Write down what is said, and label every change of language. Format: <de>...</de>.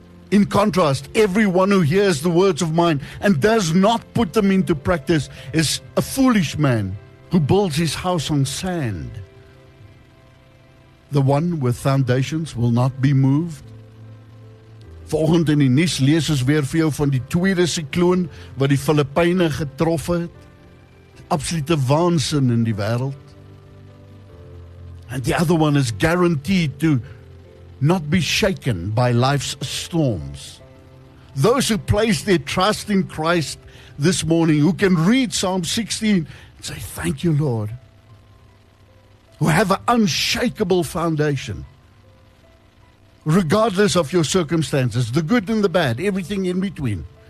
<en>In contrast, everyone who hears the words of mine and does not put them into practice is a foolish man who builds his house on sand. The one with foundations will not be moved.</en> <af>Volgende in die nuus lees ons weer vir jou van die tweede sikloon wat die Filippyne getroffen het. Absolute waansin in die wêreld.</af> <en>And the other one is guaranteed to not be shaken by life's storms. Those who place their trust in Christ this morning, who can read Psalm 16 and say, thank you, Lord. who have an unshakable foundation. Regardless of your circumstances, the good and the bad, everything in between.</en>